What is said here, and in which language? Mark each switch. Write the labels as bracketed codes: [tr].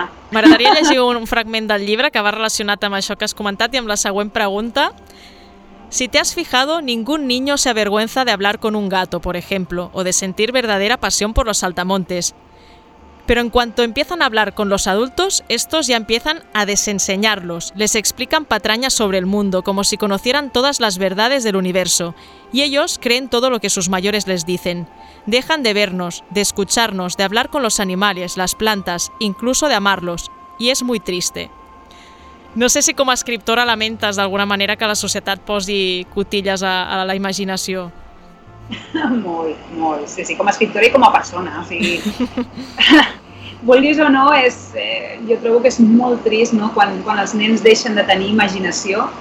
[ca] M'agradaria llegir un fragment del llibre que va relacionat amb això que has comentat i amb la següent pregunta. [es] Si te has fijado, ningún niño se avergüenza de hablar con un gato, por ejemplo, o de sentir verdadera pasión por los saltamontes. Pero en cuanto empiezan a hablar con los adultos, estos ya empiezan a desenseñarlos. Les explican patrañas sobre el mundo, como si conocieran todas las verdades del universo. Y ellos creen todo lo que sus mayores les dicen. Dejan de vernos, de escucharnos, de hablar con los animales, las plantas, incluso de amarlos. Y es muy triste. [ca] No sé si com a escriptora lamentes d'alguna manera que la societat posi cotilles a la imaginació. Molt. Sí, sí, com a escriptora i com a persona. O sigui, vulguis o no, jo trobo que és molt trist, no?, quan els nens deixen de tenir imaginació.